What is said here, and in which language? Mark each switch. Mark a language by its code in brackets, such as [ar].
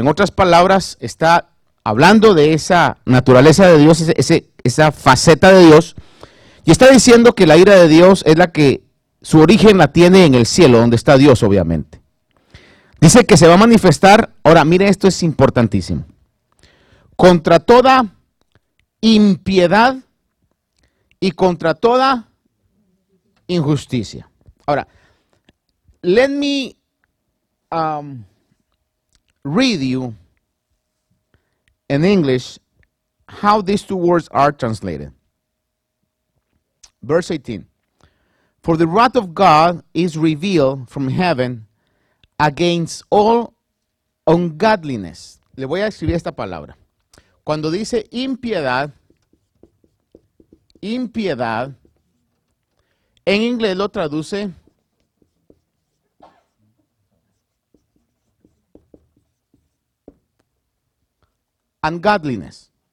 [es] En otras palabras, está hablando de esa naturaleza de Dios, esa faceta de Dios, y está diciendo que la ira de Dios es la que su origen la tiene en el cielo, donde está Dios, obviamente. Dice que se va a manifestar, ahora mire, esto es importantísimo, contra toda impiedad y contra toda injusticia. [en] Ahora, let me read you in English how these two words are translated. Verse 18. For the wrath of God is revealed from heaven against all ungodliness. [es] Le voy a escribir esta palabra. Cuando dice impiedad, en inglés lo traduce ungodliness.